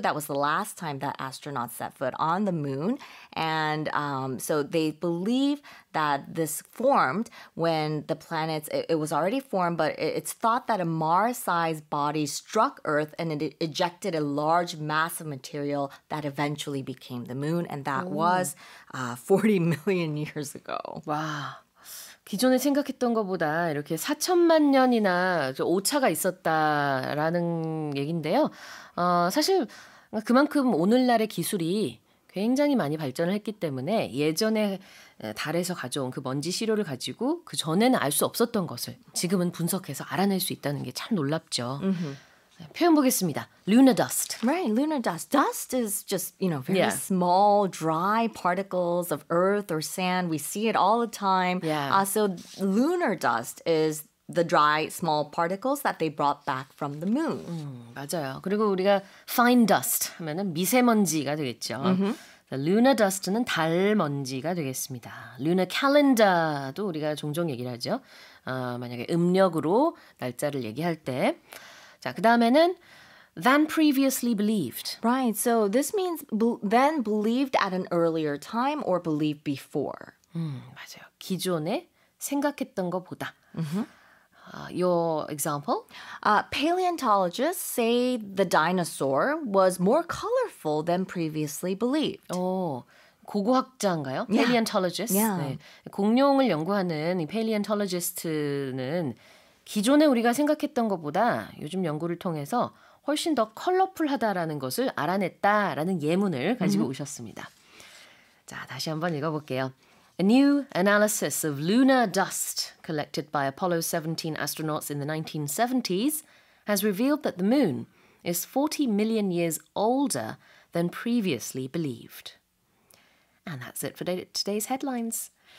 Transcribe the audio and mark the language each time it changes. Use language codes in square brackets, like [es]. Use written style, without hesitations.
[en] That was the last time that astronauts set foot on the moon. And so they believe that this formed when the planets, it was already formed, but it's thought that a Mars-sized body struck Earth and it ejected a large mass of material that eventually became the moon. And that was 40 million years ago. Wow. [ko] 기존에 생각했던 것보다 이렇게 4천만 년이나 오차가 있었다라는 얘긴데요. 사실 그만큼 오늘날의 기술이 굉장히 많이 발전을 했기 때문에 예전에 달에서 가져온 그 먼지 시료를 가지고 그 전에는 알 수 없었던 것을 지금은 분석해서 알아낼 수 있다는 게 참 놀랍죠. 표현 보겠습니다. [en] Lunar dust. Right, lunar dust. Dust is just, you know, very small, dry particles of earth or sand. We see it all the time. Yeah. So lunar dust is the dry, small particles that they brought back from the moon. [ko] 맞아요. 그리고 우리가 [en] fine dust [ko] 하면은 미세먼지가 되겠죠. [en] The lunar dust [ko] 는 달 먼지가 되겠습니다. [en] Lunar calendar [ko] 도 우리가 종종 얘기를 하죠. 만약에 음력으로 날짜를 얘기할 때 자, 그 다음에는 [en] than previously believed. Right, so this means then believed at an earlier time or believed before. [ko] 맞아요. 기존에 생각했던 것보다. [en] Your example? Paleontologists say the dinosaur was more colorful than previously believed. [ko] 오, 고고학자인가요? Paleontologists. [en] Yeah. [ko] 네. 공룡을 연구하는 이 paleontologist는 기존에 우리가 생각했던 것보다 요즘 연구를 통해서 훨씬 더 컬러풀하다라는 것을 알아냈다라는 예문을 가지고 오셨습니다. 자, 다시 한번 읽어볼게요. [en] A new analysis of lunar dust collected by Apollo 17 astronauts in the 1970s has revealed that the moon is 40 million years older than previously believed. And that's it for today's headlines.